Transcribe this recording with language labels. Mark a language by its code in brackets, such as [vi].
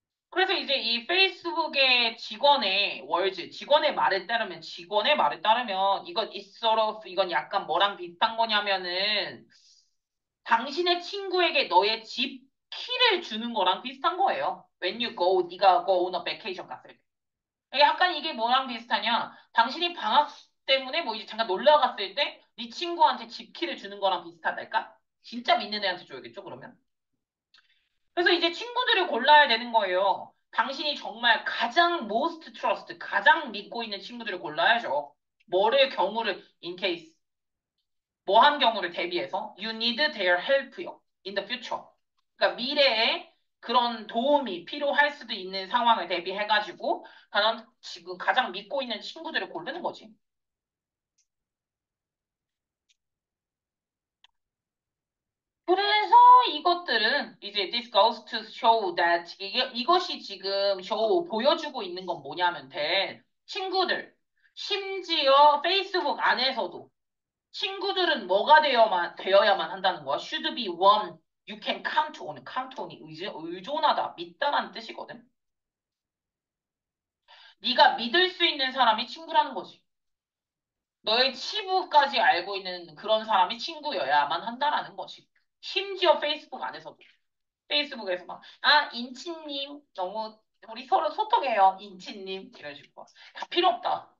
[ko] 그래서 이제 이 페이스북의 직원의 월즈, 직원의 말에 따르면, 직원의 말에 따르면, 이건 [en] it's sort of, [ko] 이건 약간 뭐랑 비슷한 거냐면은, 당신의 친구에게 너의 집 키를 주는 거랑 비슷한 거예요. [en] When you go, [ko] 네가 [en] go on a vacation [ko] 갔을 때. 약간 이게 뭐랑 비슷하냐? 당신이 방학 때문에 뭐 이제 잠깐 놀러 갔을 때, 네 친구한테 집 키를 주는 거랑 비슷하달까? 진짜 믿는 애한테 줘야겠죠, 그러면? 그래서 이제 친구들을 골라야 되는 거예요. 당신이 정말 가장 [en] most trust, [ko] 가장 믿고 있는 친구들을 골라야죠. 뭐를 경우를, [en] in case. [ko] 뭐한 경우를 대비해서? [en] You need their help [ko] 요. [en] In the future. [ko] 그러니까 미래에 그런 도움이 필요할 수도 있는 상황을 대비해가지고, 나는 지금 가장 믿고 있는 친구들을 고르는 거지. 그래서 이것들은 이제 [en] this goes to show that [ko] 이것이 지금 show 보여주고 있는 건 뭐냐면 돼. 친구들, 심지어 페이스북 안에서도 친구들은 뭐가 되어야만 한다는 거야? [en] Should be one you can count on. [ko] count on이 의존하다, 믿다라는 뜻이거든. 네가 믿을 수 있는 사람이 친구라는 거지. 너의 치부까지 알고 있는 그런 사람이 친구여야만 한다라는 거지. 심지어 페이스북 안에서도. 페이스북에서 막, 아, 인친님, 너무, 우리 서로 소통해요, 인친님. 이래가지고. 다 필요 없다.